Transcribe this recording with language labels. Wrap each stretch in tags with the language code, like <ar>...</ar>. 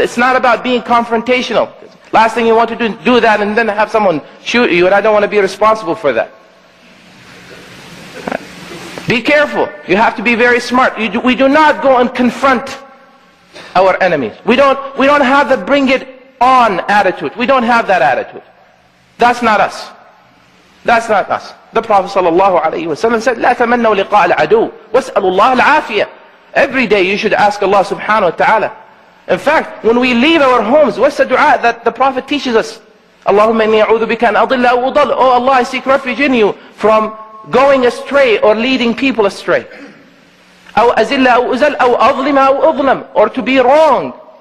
<en>It's not about being confrontational. Last thing you want to do that and then have someone shoot you, and I don't want to be responsible for that. Be careful. You have to be very smart. We do not go and confront our enemies. We don't have the bring it on attitude. We don't have that attitude. That's not us. That's not us. The Prophet sallallahu alaihi wasallam said,</en> <ar>لا تمنوا لقاء العدو واسألوا الله العافية.</ar> <en>Every day you should ask Allah subhanahu wa ta'ala. In fact, when we leave our homes, what's the dua that the Prophet teaches us?</en> <ar>Allahumma inni a'udhu bika an adilla aw udall.</ar> <en>Oh Allah, I seek refuge in you from going astray or leading people astray.</en> <ar>Aw azilla aw uzal aw adlima aw udlam.</ar> <en>Or to be wrong.</en>